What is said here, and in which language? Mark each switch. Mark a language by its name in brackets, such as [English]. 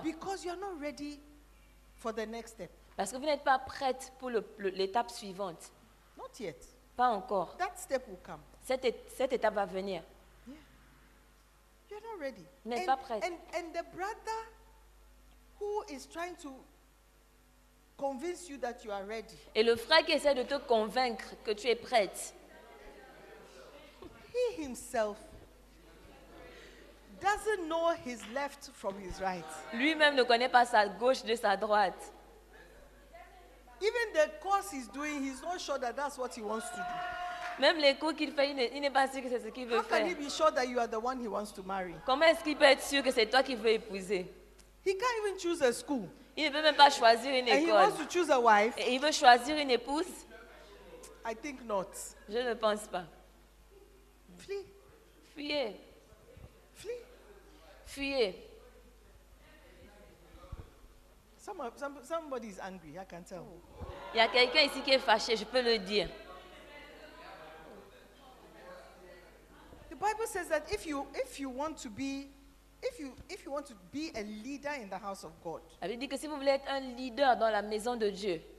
[English] Because you're not ready for the next step. [French] Parce que vous n'êtes pas prête pour l'étape suivante. [English] Not yet. [French] Pas encore. [English] That step will come. [French] Cette étape va venir. [English] Yeah. You're not ready. [French] Vous n'êtes pas prête. [English] And the brother who is trying to convince you that you are ready. [French] Et le frère qui essaie de te convaincre que tu es prête. [English] He himself doesn't know his left from his right. [French] Lui-même ne connaît pas sa gauche de sa droite. [English] Even the course he's doing, he's not sure that that's what he wants to do. [French] Même les cours qu'il fait, il n'est pas sûr que c'est ce qu'il veut faire. [English] How can he be sure that you are the one he wants to marry? [French] Comment est-ce qu'il peut être sûr que c'est toi qu'il veut épouser? [English] He can't even choose a school. [French] Il ne peut même pas choisir une école. [English] And he wants to choose a wife. [French] Et il veut choisir une épouse? [English] I think not. [French] Je ne pense pas. [English] Flee. [French] Fuyez. [English] Flee. [French] Fuyez. [English] Somebody is angry, I can tell. [French] Il y a quelqu'un ici qui est fâché, je peux le dire. [English] The Bible says that if you want to be a leader in the house of God. [French] La Bible dit que si vous voulez être un leader dans la maison de Dieu.